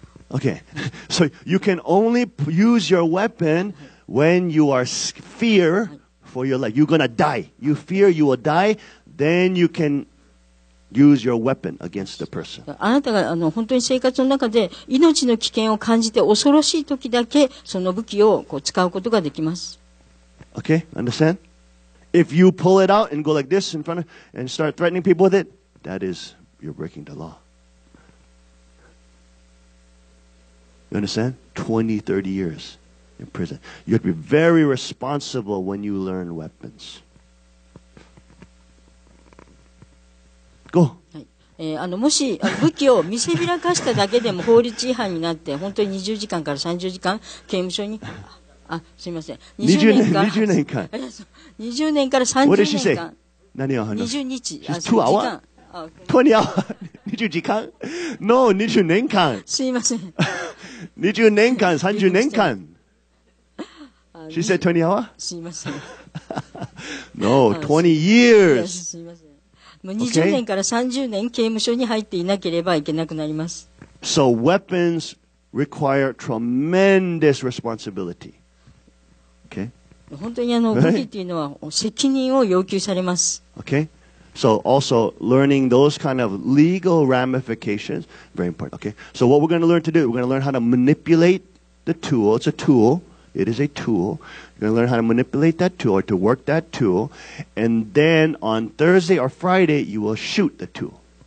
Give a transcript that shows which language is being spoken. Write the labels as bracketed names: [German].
[English] Okay, so you can only use your weapon when you are fear for your life. You're gonna die. You fear you will die, then you can use your weapon against the person. [Japanese] あなたが本当に生活の中で命の危険を感じて恐ろしい時だけその武器をこう使うことができます。 [English] Okay, understand? If you pull it out and go like this in front of and start threatening people with it, that is you're breaking the law. You understand? 20, 30 years. In prison. You have to be very responsible when you learn weapons. Go. [Japanese] もし武器を見せびらかしただけでも法律違反になって本当に20時間から30時間刑務所に。あ、すみません。20年間。20年から30年間。 [English] What did she say? [Japanese] 20日。 [English] She's 2 hours? 20 hours? [Japanese] 20時間? [English] No, [Japanese] 20年間。すみません。 20年間、30年間。 [English] She said 20 hours? [Japanese] すみません。 [English] No, 20 years. [Japanese] すみません。もう20年から30年刑務所に入っていなければいけなくなります。 [English] So weapons require tremendous responsibility. Okay? [Japanese] 本当に武器というのは責任を要求されます。 [English] Okay? So also learning those kind of legal ramifications, very important. Okay? So what we're going to learn to do, we're going to learn how to manipulate the tool. It's a tool. It is a tool. You're going to learn how to manipulate that tool or to work that tool. And then on Thursday or Friday, you will shoot the tool.